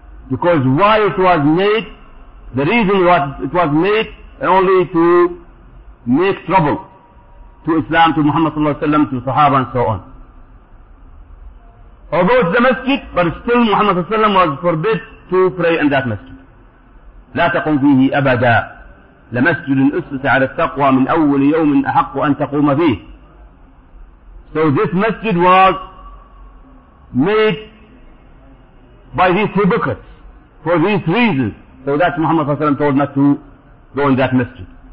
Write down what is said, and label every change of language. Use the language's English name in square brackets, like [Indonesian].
[English] Because why it was made, the reason was it was made only to make trouble to Islam, to Muhammad sallallahu alayhi wa sallam, to Sahaba and so on. Although it's the masjid, but still Muhammad sallallahu alayhi wa sallam was forbid to pray in that masjid. [Arabic] لا تقوم فيه أبدا لمسجد أسس على التقوى من أول يوم أحق أن تقوم فيه. [English] So this masjid was made by these hypocrites for these reasons. So that Muhammad sallallahu alayhi wa sallam told not to go in that masjid.